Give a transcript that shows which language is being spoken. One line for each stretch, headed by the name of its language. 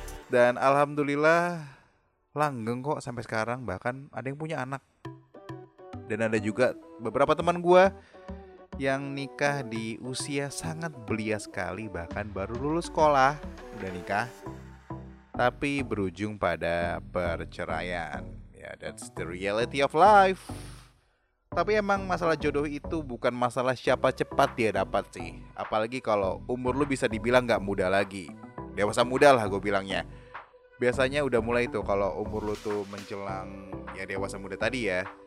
Indonesian: Dan alhamdulillah langgeng kok sampai sekarang, bahkan ada yang punya anak. Dan ada juga beberapa teman gue yang nikah di usia sangat belia sekali, bahkan baru lulus sekolah udah nikah, tapi berujung pada perceraian.
English: Ya, that's the reality of life.
Indonesian: Tapi emang masalah jodoh itu bukan masalah siapa cepat dia dapat sih. Apalagi kalau umur lu bisa dibilang gak muda lagi. Dewasa muda lah gue bilangnya. Biasanya udah mulai tuh kalau umur lu tuh menjelang ya dewasa muda tadi ya.